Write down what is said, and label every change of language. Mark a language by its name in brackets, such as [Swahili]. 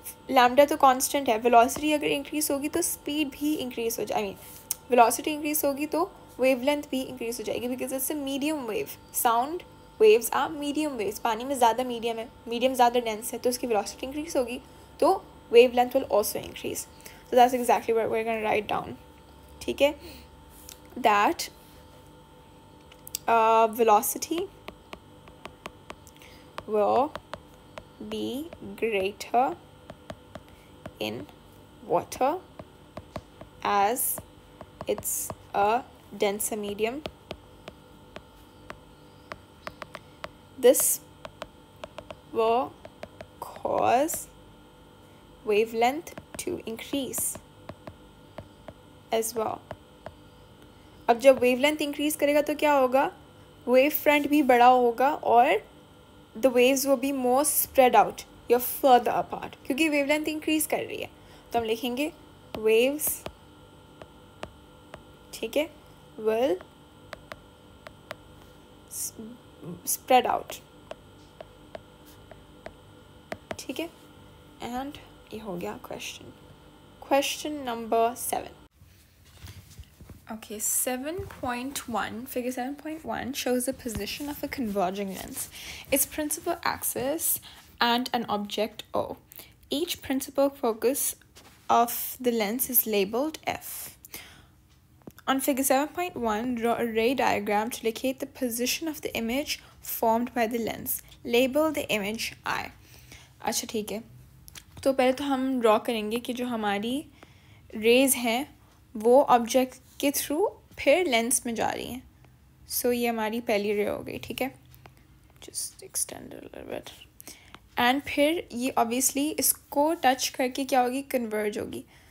[Hindi] Lambda तो constant है, velocity अगर इंक्रीज होगी तो स्पीड भी इंक्रीज हो जाएगी. वेलोसिटी इंक्रीज होगी तो वेवलेंथ भी इंक्रीज हो जाएगी, [English] Because it's a medium wave. Sound waves are medium waves. [Hindi] पानी में ज़्यादा मीडियम है, मीडियम ज़्यादा डेंस है, तो उसकी वेलोसिटी इंक्रीज होगी, तो [English] Wavelength will also increase. So that's exactly what we are gonna write down. ठीक है, that velocity will be greater in water as it's a denser medium. This will cause wavelength to increase as well. [Hindi] अब जब wavelength increase करेगा तो क्या होगा, wave front भी बड़ा होगा और [English] the waves will be more spread out, you're further apart, [Hindi] क्योंकि wavelength increase कर रही है. तो हम लिखेंगे waves, ठीक है, [English] will spread out, [Hindi] ठीक है, and ये हो गया question. [English] Question number 7. Okay, 7.1, figure 7.1 shows the position of a converging lens, its principal axis, and an object O. Each principal focus of the lens is labeled F. On figure 7.1, draw a ray diagram to locate the position of the image formed by the lens. Label the image I. [Hindi] अच्छा ठीक है, तो पहले तो हम draw करेंगे कि जो हमारी rays हैं वो object के थ्रू फिर लेंस में जा रही हैं. सो ये हमारी पहली रे हो गई. ठीक है, [English] just extend a little bit, [Hindi] and फिर ये ऑब्वियसली इसको टच करके क्या होगी, कन्वर्ज होगी.